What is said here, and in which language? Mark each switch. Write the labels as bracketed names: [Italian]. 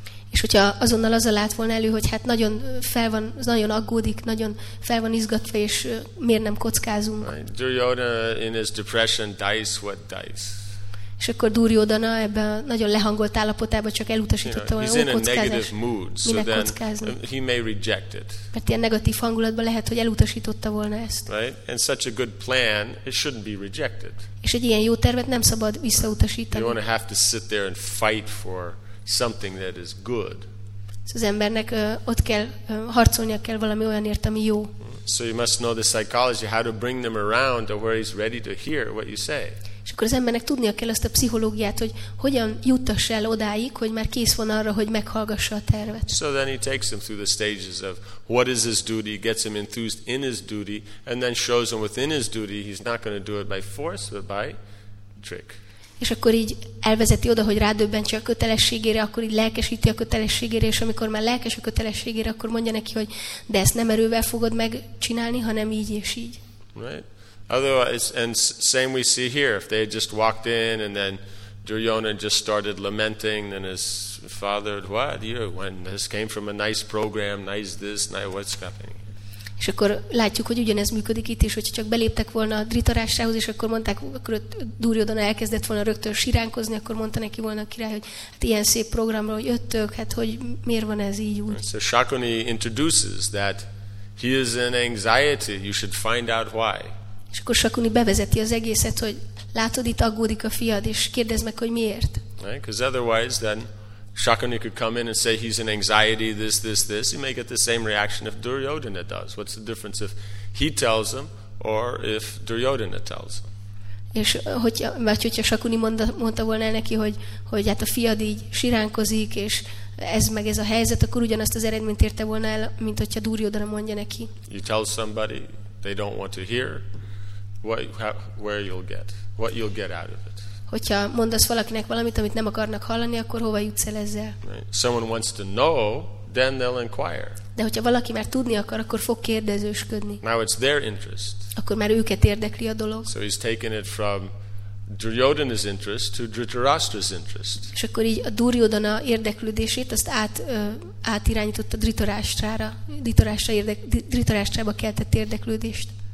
[Hungarian] És hogyha azonnal azzal állt volna elő, hogy hát nagyon fel van, nagyon aggódik, nagyon fel van izgatva, és miért nem kockázunk. [English] Right. Duryodhana in his depression, dice what dice. [Hungarian] És akkor Duryodhana ebben a nagyon lehangolt állapotában csak elutasította, hogy [English] a negative mood, so then he may reject it. [Hungarian] Mert ilyen negatív hangulatban lehet, hogy elutasította volna ezt. [English] Right? And such a good plan, it shouldn't be rejected. [Hungarian] És egy ilyen jó tervet nem szabad visszautasítani. [English] You want to have to sit there and fight for something that is good. [Hungarian] Szóval az embernek ott kell harcolnia kell valami olyanért, ami jó. [English] So you must know the psychology, how to bring them around to where he's ready to hear what you say. [Hungarian] És akkor az embernek tudnia kell azt a pszichológiát, hogy hogyan juttass el odáig, hogy már kész van arra, hogy meghallgassa a tervet. [English] So then he takes him through the stages of what is his duty, gets him enthused in his duty, and then shows him within his duty he's not going to do it by force, but by trick. [Hungarian] És akkor így elvezeti oda, hogy rádöbbentse a kötelességére, akkor így lelkesíti a kötelességére, és amikor már lelkes a kötelességére, akkor mondja neki, hogy de ezt nem erővel fogod megcsinálni, hanem így és így. [English] Right. Otherwise, and same we see here, if they had just walked in and then Duryodhana just started lamenting, then his father, what, you know, when this came from a nice program, nice this, nice what's happening. [Hungarian] És akkor látjuk, hogy ugyanez működik itt is, hogyha csak beléptek volna a Dhritarashtrához, és akkor mondták, akkor Duryodhana elkezdett volna rögtön siránkozni, akkor mondta neki volna a király, hogy hát ilyen szép programról jöttök, hát hogy miért van ez így úgy. [English] So Shakuni introduces that he is in anxiety, you should find out why. [Hungarian] És akkor Shakuni bevezeti az egészet, hogy látod, itt aggódik a fiad, és kérdezd meg, hogy miért. [English] Right, because otherwise then Shakuni could come in and say he's in anxiety, this, this, this. He may get the same reaction if Duryodhana does. What's the difference if he tells him or if Duryodhana tells him? [Hungarian] És hogyha Sakuni mondta volna neki, hogy hát a fiad így siránkozik, és ez meg ez a helyzet, akkor ugyanazt az eredményt érte volna el, mint hogyha Duryodhana mondja neki. [English] You tell somebody they don't want to hear where you'll get, what you'll get out of it. [Hungarian] Hogyha mondasz valakinek valamit, amit nem akarnak hallani, akkor hova jutsz el ezzel? [English] Someone wants to know, then they'll inquire. [Hungarian] De hogyha valaki már tudni akar, akkor fog kérdezősködni. [English] Now it's their interest. [Hungarian] Akkor már őket érdekli a dolog. [English] So he's taken it from Duryodhana's interest to Dhritarashtra's interest. [Hungarian] És akkor így a Duryodhana érdeklődését azt átirányította Dhritarashtrára, Dhritarashtrába keltett érdeklődést.